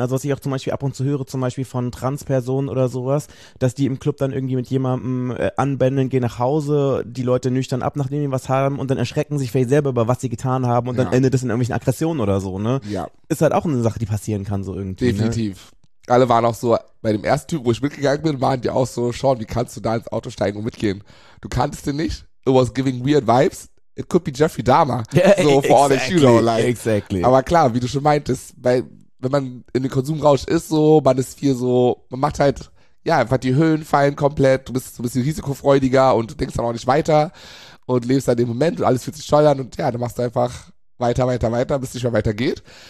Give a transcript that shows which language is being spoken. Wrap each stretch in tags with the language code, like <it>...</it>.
<de>Also was ich auch zum Beispiel ab und zu höre, zum Beispiel von Transpersonen oder sowas, dass die im Club dann irgendwie mit jemandem anbändeln, gehen nach Hause, die Leute nüchtern ab, nachdem sie was haben und dann erschrecken sich vielleicht selber über, was sie getan haben und dann endet es in irgendwelchen Aggressionen oder so, ne? Ja. Ist halt auch eine Sache, die passieren kann, so irgendwie. Definitiv. Ne? alle waren auch so, bei dem ersten Typ, wo ich mitgegangen bin, waren die auch so, Sean, wie kannst du da ins Auto steigen und mitgehen? Du kanntest den nicht?</de> <en>It was giving weird vibes. It could be Jeffrey Dahmer. So for exactly, all the you know, like. Exactly.</en> <de>Aber klar, wie du schon meintest, weil wenn man in den Konsumrausch ist, so, man ist viel so, man macht halt, ja, einfach die Höhen fallen komplett, du bist so ein bisschen risikofreudiger und du denkst dann auch nicht weiter und lebst dann den Moment und alles fühlt sich toll an und ja, dann machst du einfach weiter, bis es nicht mehr weitergeht.</de>